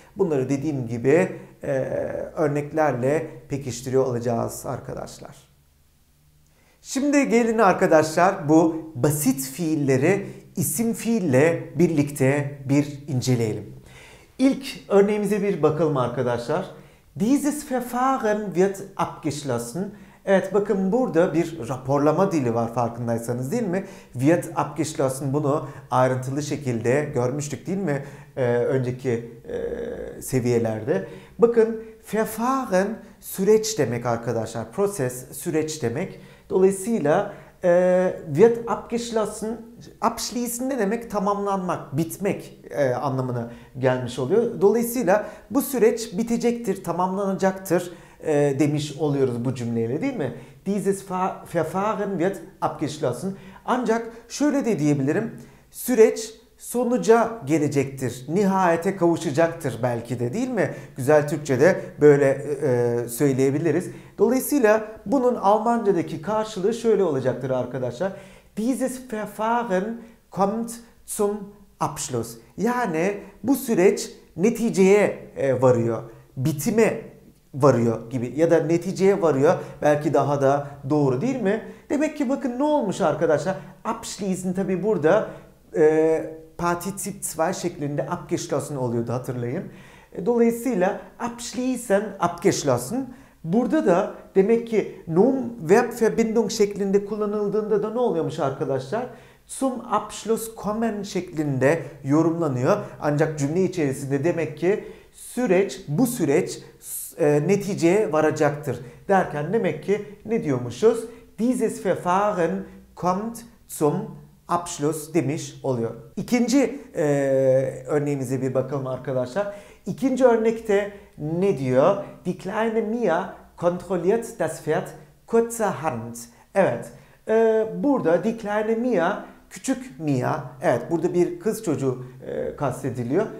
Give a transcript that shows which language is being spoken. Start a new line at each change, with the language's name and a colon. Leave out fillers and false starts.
Turkish: Bunları dediğim gibi örneklerle pekiştiriyor olacağız arkadaşlar. Şimdi gelin arkadaşlar bu basit fiilleri isim fiille birlikte bir inceleyelim. İlk örneğimize bir bakalım arkadaşlar.
German: Dieses Verfahren wird abgeschlossen.
Turkish: Evet, bakın burada bir raporlama dili var farkındaysanız, değil mi?
German: Wird abgeschlossen,
Turkish: bunu ayrıntılı şekilde görmüştük, değil mi? Önceki seviyelerde. Bakın Verfahren süreç demek arkadaşlar. Proses, süreç demek. Dolayısıyla
German: wird abgeschlossen,
Turkish: abschließen ne demek? Tamamlanmak, bitmek anlamına gelmiş oluyor. Dolayısıyla bu süreç bitecektir, tamamlanacaktır demiş oluyoruz bu cümleyle, değil mi?
German: Dieses Verfahren wird abgeschlossen.
Turkish: Ancak şöyle de diyebilirim. Süreç sonuca gelecektir. Nihayete kavuşacaktır belki de, değil mi? Güzel Türkçe'de böyle söyleyebiliriz. Dolayısıyla bunun Almanca'daki karşılığı şöyle olacaktır arkadaşlar.
German: Dieses Verfahren kommt zum Abschluss.
Turkish: Yani bu süreç neticeye varıyor. Bitime varıyor gibi, ya da neticeye varıyor belki daha da doğru, değil mi? Demek ki bakın ne olmuş arkadaşlar. Abschließen tabi burada Partizip 2 şeklinde abgeschlossen oluyordu, hatırlayın. Dolayısıyla
German: abschließen, abgeschlossen.
Turkish: Burada da demek ki Nomen-Verb-Verbindung şeklinde kullanıldığında da ne oluyormuş arkadaşlar?
German: Zum Abschluss kommen
Turkish: şeklinde yorumlanıyor. Ancak cümle içerisinde demek ki süreç, bu süreç neticeye varacaktır derken demek ki ne diyormuşuz?
German: Dieses Verfahren kommt zum Abschluss
Turkish: demiş oluyor. İkinci örneğimize bir bakalım arkadaşlar. İkinci örnekte ne diyor?
German: Die kleine Mia kontrolliert das Pferd kurzerhand.
Turkish: Evet, burada
German: die kleine Mia,
Turkish: küçük Mia, evet burada bir kız çocuğu kastediliyor.